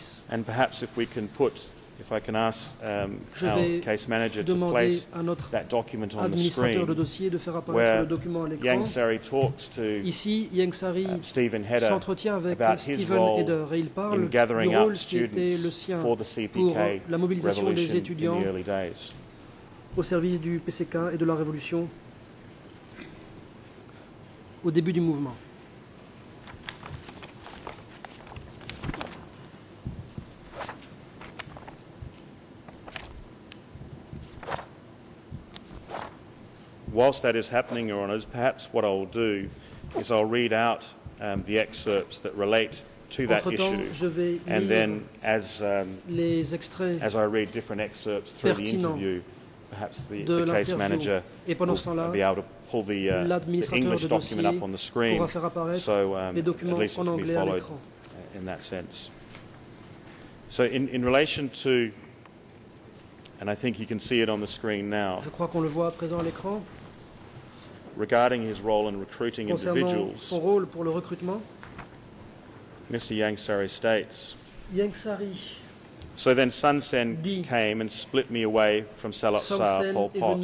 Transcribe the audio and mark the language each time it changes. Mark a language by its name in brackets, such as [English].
[English] and perhaps if we can put, if I can ask our case manager to place that document on the screen, where Yang Sari talks to Stephen Hedder about his role in gathering up students for the CPK revolution [French] des étudiants [English] in the early days. [French] Au service du PCK et de la révolution au début du mouvement. [English] We whilst that is happening, Your Honours, perhaps what I'll do is I'll read out the excerpts that relate to that issue, and then as I read different excerpts through the interview, perhaps the case manager will be able to pull the English document up on the screen, so at least it can be followed in that sense. So in relation to, and I think you can see it on the screen now, [French] je crois qu'on le voit à présent à l'écran, [English] regarding his role in recruiting individuals, [French] son rôle pour le recrutement, [English] Mr. Yang Sari states, Yang Sari, so then Sun Sen dit, came and split me away from Salat Sar Pol Pot